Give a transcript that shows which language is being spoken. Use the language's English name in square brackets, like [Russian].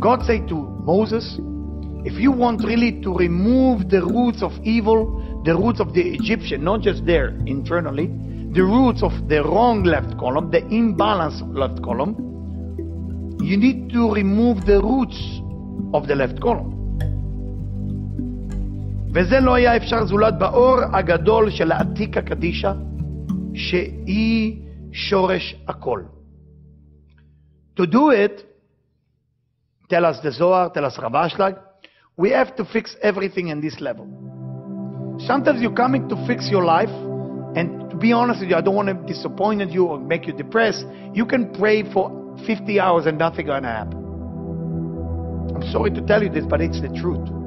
[English] God said to Moses, if you want really to remove the roots of evil, the roots of the Egyptian, not just there internally, the roots of the wrong left column, the imbalanced left column, you need to remove the roots of the left column. [Hebrew] וזה לא היה אפשר זולת באור הגדול של העתיקה קדישה, שהיא שורש הכל. [English] To do it, tell us the Zohar, tell us Rav Ashlag, we have to fix everything in this level. Sometimes you're coming to fix your life, and to be honest with you, I don't want to disappoint you or make you depressed. You can pray for 50 hours and nothing gonna happen. I'm sorry to tell you this, but it's the truth.